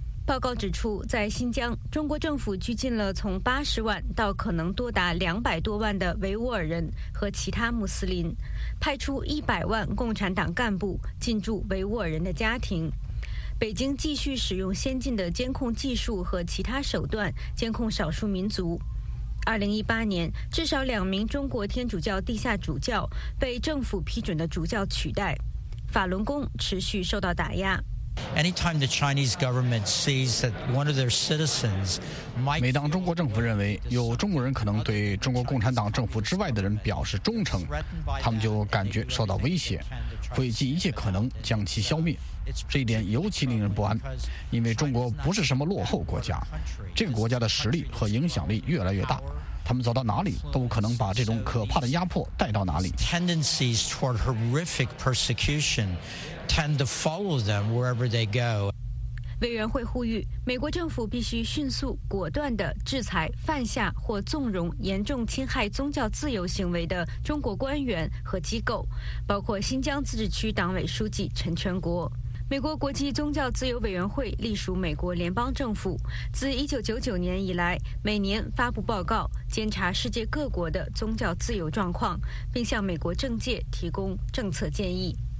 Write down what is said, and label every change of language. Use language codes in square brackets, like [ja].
[zh] 报告指出，在新疆，中国政府拘禁了从80万到可能多达200多万的维吾尔人和其他穆斯林，派出100万共产党干部进驻维吾尔人的家庭。北京继续使用先进的监控技术和其他手段监控少数民族。 2018年，至少2名中国天主教地下主教被政府批准的主教取代，法轮功持续受到打压。 [en] Anytime the Chinese government sees that one of their citizens might, [zh] 每当中国政府认为有中国人可能对中国共产党政府之外的人表示忠诚，他们就感觉受到威胁，会尽一切可能将其消灭。这一点尤其令人不安，因为中国不是什么落后国家，这个国家的实力和影响力越来越大，他们走到哪里都可能把这种可怕的压迫带到哪里。 [en] Tendencies toward horrific persecution tend to follow them wherever they go. [zh] 委员会呼吁，美国政府必须迅速、果断地制裁犯下或纵容严重侵害宗教自由行为的中国官员和机构，包括新疆自治区党委书记陈全国。美国国际宗教自由委员会隶属美国联邦政府，自1999年以来，每年发布报告，监察世界各国的宗教自由状况，并向美国政界提供政策建议。